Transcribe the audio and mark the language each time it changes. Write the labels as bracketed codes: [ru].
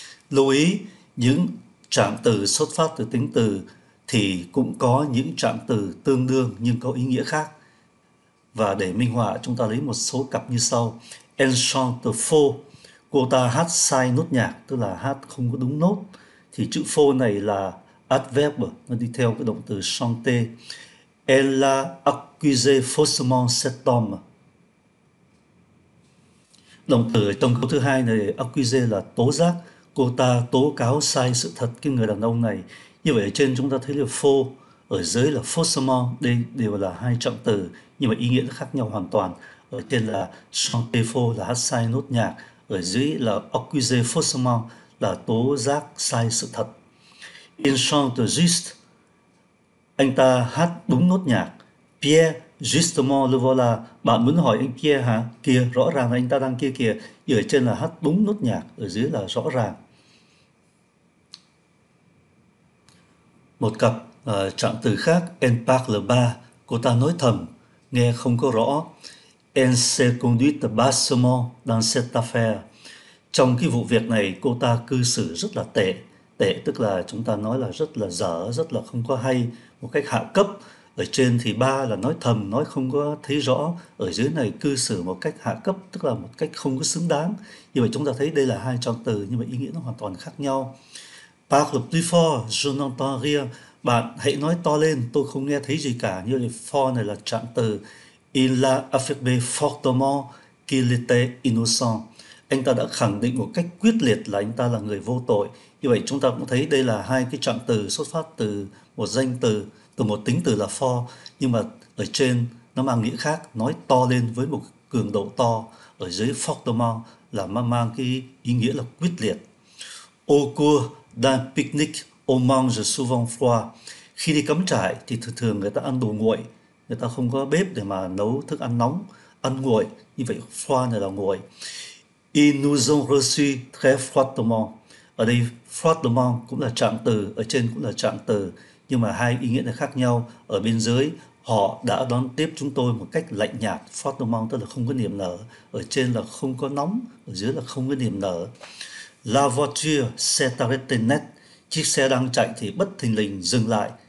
[vi] Lưu ý, những trạng từ xuất phát từ tính từ thì cũng có những trạng từ tương đương nhưng có ý nghĩa khác. Và để minh họa chúng ta lấy một số cặp như sau. [fr] Elle chante faux, [vi] cô ta hát sai nốt nhạc, tức là hát không có đúng nốt. Thì chữ faux này là adverb, nó đi theo cái động từ chanter. [fr] Elle l'a accusé faussement cet homme. [vi] Động từ trong câu thứ hai này, accusé là tố giác, cô ta tố cáo sai sự thật cái người đàn ông này. Như vậy ở trên chúng ta thấy là faux, ở dưới là faussement, đây đều là hai trọng từ nhưng mà ý nghĩa nó khác nhau hoàn toàn. Ở trên là [fr] chanter faux [vi] là hát sai nốt nhạc, ở dưới là [fr] accuser faussement [vi] là tố giác sai sự thật. [fr] Il chante juste, [vi] anh ta hát đúng nốt nhạc. [fr] Pierre justement le voilà, [vi] bạn muốn hỏi anh kia hả? Kia, rõ ràng là anh ta đang kia kìa. Ở trên là hát đúng nốt nhạc, ở dưới là rõ ràng. Một cặp trạng từ khác, [fr] en parle pas, [vi] cô ta nói thầm, nghe không có rõ. [fr] En se conduit bassement dans cette affaire. [vi] Trong cái vụ việc này, cô ta cư xử rất là tệ. Tệ tức là chúng ta nói là rất là dở, rất là không có hay, một cách hạ cấp. Ở trên thì ba là nói thầm, nói không có thấy rõ. Ở dưới này cư xử một cách hạ cấp, tức là một cách không có xứng đáng. Như vậy chúng ta thấy đây là hai trong từ, nhưng mà ý nghĩa nó hoàn toàn khác nhau. [fr] Parle plus fort, je n'entends rien. [vi] Bạn hãy nói to lên, tôi không nghe thấy gì cả. Như vậy for này là trạng từ. [fr] Il l'a affirmé fortement qu'il était innocent. [vi] Anh ta đã khẳng định một cách quyết liệt là anh ta là người vô tội. Như vậy chúng ta cũng thấy đây là hai cái trạng từ xuất phát từ một danh từ, từ một tính từ là for, nhưng mà ở trên nó mang nghĩa khác, nói to lên với một cường độ to. Ở dưới fortement là mang cái ý nghĩa là quyết liệt. [fr] Au cours d'un pique-nique, on mange souvent froid. [vi] Khi đi cắm trại thì thường thường người ta ăn đồ nguội, người ta không có bếp để mà nấu thức ăn nóng, ăn nguội. Như vậy froid này là nguội. [fr] Ils nous ont reçu très froidement. [vi] Ở đây froidement cũng là trạng từ, ở trên cũng là trạng từ, nhưng mà hai ý nghĩa này khác nhau. Ở bên dưới, họ đã đón tiếp chúng tôi một cách lạnh nhạt. Froidement tức là không có niềm nở. Ở trên là không có nóng, ở dưới là không có niềm nở. [fr] La voiture s'est arrêtée net. [vi] Chiếc xe đang chạy thì bất thình lình dừng lại.